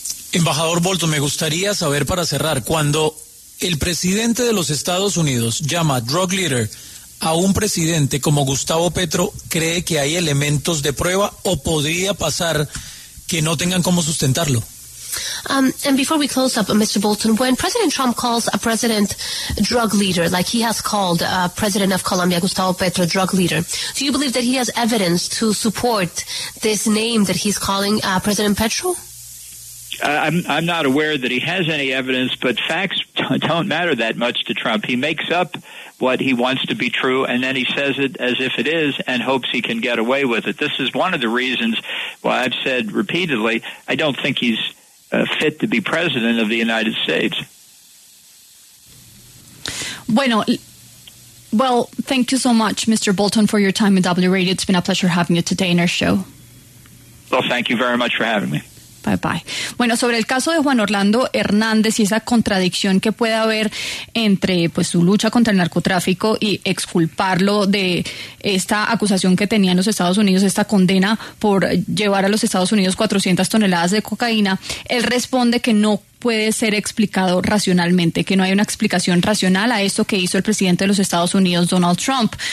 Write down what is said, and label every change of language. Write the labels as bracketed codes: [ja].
[es] Embajador Bolton, me gustaría saber para cerrar, cuando el presidente de los Estados Unidos llama [en] drug leader [es] a un presidente como Gustavo Petro, ¿cree que hay elementos de prueba o podría pasar que no tengan cómo sustentarlo? [en] And before we close up, Mr. Bolton, when President Trump calls a president drug leader, like he has called President of Colombia, Gustavo Petro, drug leader, do you believe that he has evidence to support this name that he's calling President Petro? I'm not aware that he has any evidence, but facts don't matter that much to Trump. He makes up what he wants to be true, and then he says it as if it is and hopes he can get away with it. This is one of the reasons why I've said repeatedly, I don't think he's fit to be president of the United States. Well, thank you so much, Mr. Bolton, for your time in W Radio. It's been a pleasure having you today in our show. Well, thank you very much for having me. Bye bye. [es] Bueno, sobre el caso de Juan Orlando Hernández y esa contradicción que puede haber entre pues su lucha contra el narcotráfico y exculparlo de esta acusación que tenía en los Estados Unidos, esta condena por llevar a los Estados Unidos 400 toneladas de cocaína, él responde que no puede ser explicado racionalmente, que no hay una explicación racional a esto que hizo el presidente de los Estados Unidos, Donald Trump.